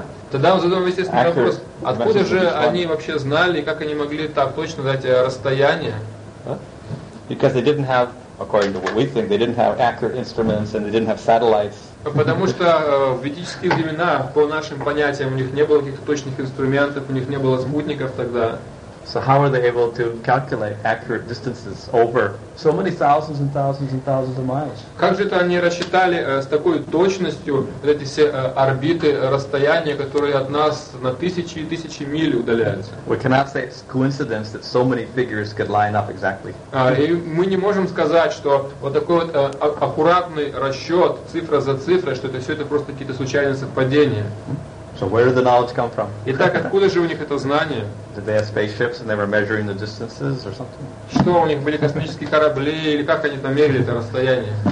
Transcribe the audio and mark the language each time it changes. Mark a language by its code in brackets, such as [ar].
[ru] Тогда мы задаем естественный вопрос, откуда же они вообще знали, как они могли так точно дать расстояние? [en] Because they didn't have, according to what we think, they didn't have accurate instruments and they didn't have satellites. [ru] Потому что в ведические времена, по нашим понятиям, у них не было каких-то точных инструментов, у них не было спутников тогда. [en] So how were they able to calculate accurate distances over so many thousands and thousands and thousands of miles? [ru] Как же это они рассчитали с такой точностью эти все орбиты, расстояния, которые от нас на тысячи и тысячи миль удаляются? [en] We cannot say it's coincidence that so many figures could line up exactly. [ru] И мы не можем сказать, что вот такой вот аккуратный расчет цифра за цифрой, что это все это просто какие-то случайные совпадения. [en] So where did the knowledge come from? [ru] Итак, откуда же у них это знание? [en] Did they have spaceships and they were measuring the distances or something? [ru] Что у них были космические корабли или как они там мерили это расстояние?